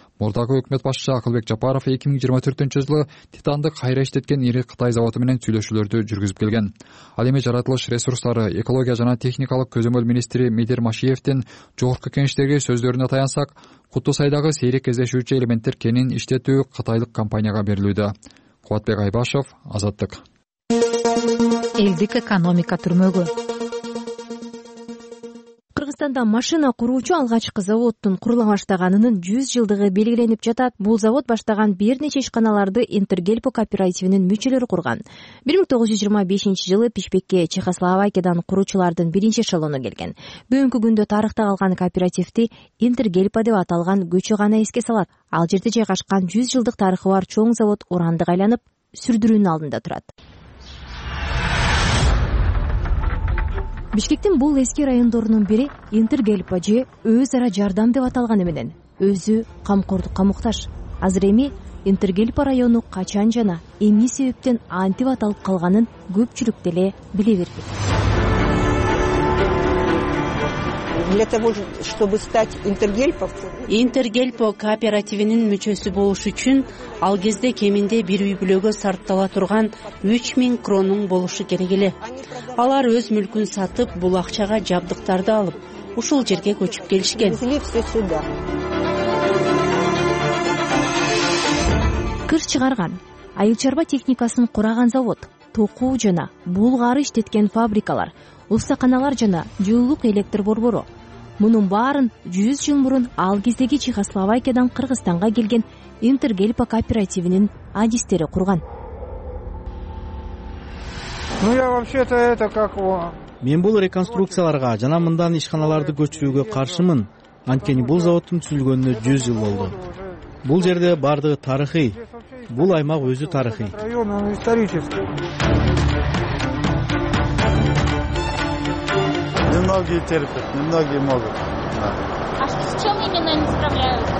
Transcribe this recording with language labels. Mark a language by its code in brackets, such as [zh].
[ky] Мурдагы өкмөт башчысы Акылбек Жапаров 2024 жылы титанды кайра иштеткен ири Кытай заводу менен сүйлөшүүлөрдү жүргүзүп келген. Ал эми жаратылыш ресурстары, экология жана техникалык көзөмөл министри Медир Машиевтин жогорку кеңештеги сөздөрүнө таянсак, Куттуу Сайдагы сейрек кездешүүчү элементтер кенин иштетүү кытайлык компанияга берилүүдө. Кубатбек Айбашев, Азаттык. Элдик экономика түрмөгү. Кыргызстанда машина куруучу алгачкы заводдун курула баштаганынын 100 жылдыгы белгиленип жатат. Бул завод баштаган бир нече ишканаларды Интергельпо кооперативинин мүчөлөрү курган. 1925 жылы Бишкекке Чехословакиядан куруучулардын биринчи эшелону келген. Бүгүнкү күндө тарыхта калган кооперативти Интергельпо деп аталган көчө гана эске салат. Ал жерде жайгашкан 100 жылдык тарыхы бар чоң завод урандыга айланып, сүрдүрүүнүн алдында турат. Бишкектин бул эски райондорунун бири Интергельпо же өз ара жардам деп аталганы менен өзү камкордукка муктаж. Азыр эми Интергельпо району качан жана эмне себептен антип аталып калганын көпчүлүк деле биле бербейт. [ru] Для того, чтобы стать Интергельпо. [ky] Интергельпо кооперативинин мүчөсү болуш үчүн ал кезде кеминде бир үй бүлөгө сарттала турган 3000 кронун болушу керек эле. Алар өз мүлкүн сатып, бул акчага жабдыктарды алып, ушул жерге көчүп келишкен. Кыр чыгарган, айыл чарба техникасын кураган завод, токуу жана булгары иштеткен фабрикалар, устаканалар жана жылуулук электр борбору. Мунун баарын 100 жыл мурун ал кездеги Чехословакиядан Кыргызстанга келген Интергельпо кооперативинин адистери курган. [ru] Ну я вообще это как его. [ky] Мен бул реконструкцияларга жана мындан ишканаларды көчүрүүгө каршымын, анткени бул заводтун түзүлгөнүнө 100 жыл болду. Бул жерде бардыгы тарыхый, бул аймак өзү тарыхый. [ru] Многие терпят, немногие могут. Да. А что, с чем именно они справляются?